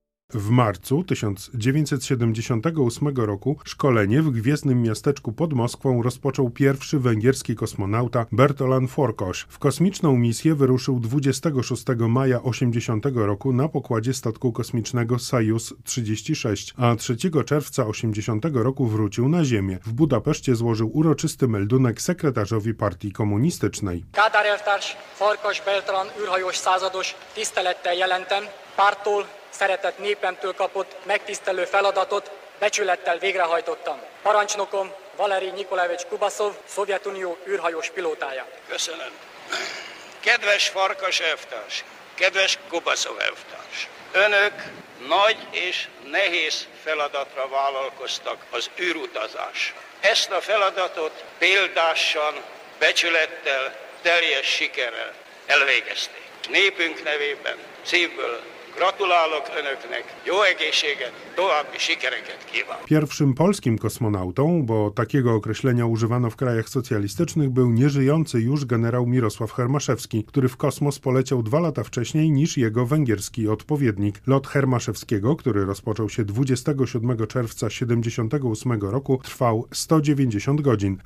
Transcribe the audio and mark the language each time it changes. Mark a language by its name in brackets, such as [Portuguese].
[Polish] W marcu 1978 roku szkolenie w gwiezdnym miasteczku pod Moskwą rozpoczął pierwszy węgierski kosmonauta Bertalan Forkos. W kosmiczną misję wyruszył 26 maja 80 roku na pokładzie statku kosmicznego Sojuz 36, a 3 czerwca 80 roku wrócił na Ziemię. W Budapeszcie złożył uroczysty meldunek sekretarzowi partii komunistycznej. [Hungarian] Kádár elvtárs, Forkos Bertalan űrhajós százados, tisztelettel jelentem, pártól, szeretett népemtől kapott megtisztelő feladatot becsülettel végrehajtottam. Parancsnokom Valeri Nikolajevics Kubaszov, Szovjetunió űrhajós pilótája. Köszönöm. Kedves Farkas elvtárs, kedves Kubaszov elvtárs, önök nagy és nehéz feladatra vállalkoztak, az űrutazás. Ezt a feladatot példásan, becsülettel, teljes sikerrel elvégezték. Népünk nevében szívből gratulálok önöknek, jó egészséget, további sikereket kívánok. [Polish] Pierwszym polskim kosmonautą, bo takiego określenia używano w krajach socjalistycznych, był nieżyjący już generał Mirosław Hermaszewski, który w kosmos poleciał 2 lata wcześniej niż jego węgierski odpowiednik. Lot Hermaszewskiego, który rozpoczął się 27 czerwca 1978 roku, trwał 190 godzin.